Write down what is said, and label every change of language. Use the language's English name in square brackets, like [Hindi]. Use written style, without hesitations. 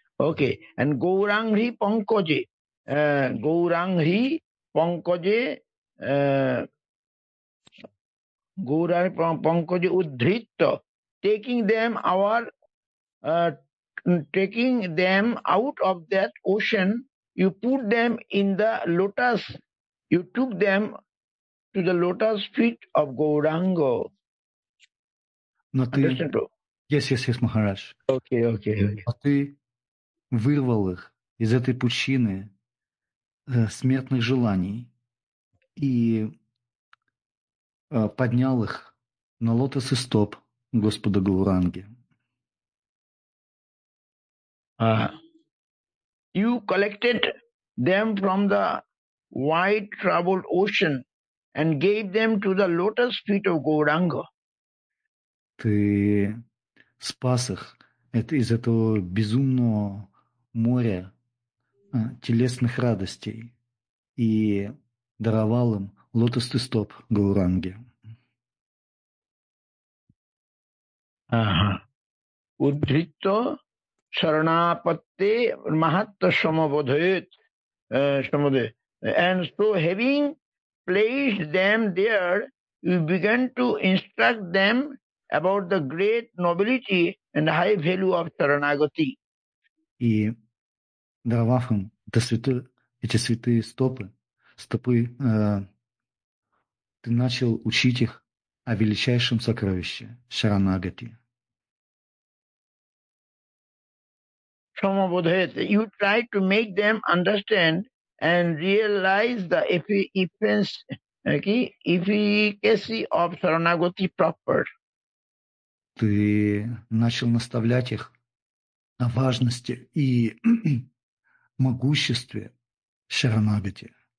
[English] Okay, and [Sanskrit] Gaurangri Pankaje, Gaurangri Pankaje, Gaurangri Pankaje Udhritta, [English] taking them out of that ocean, you put them in the lotus. You took them to the lotus feet of Gauranga. Understand, bro? Yes, Maharaj. Okay. [Russian] Но ты вырвал их из этой пучины смертных желаний и поднял их на лотос и стоп Господа Гауранги. [English] You collected them from the white troubled ocean and gave them to the lotus feet of Gauranga. [Russian] Ты спас их из этого безумного моря телесных радостей и даровал им лотосный стоп Гауранги. [Sanskrit] Удритто Шаранапатте Махатта Самабодхет Самабодхет. [English] And so having placed them there, you began to instruct them about the great nobility and high value of Saranagati. [Russian] И даровав им эти святые стопы, ты начал учить их о величайшем сокровище Шаранагати. [English] Самабодхет, you try to make them understand and realize the efficacy of Saranagati proper. [Russian] Ты начал наставлять их о важности и могуществе Шаранагати.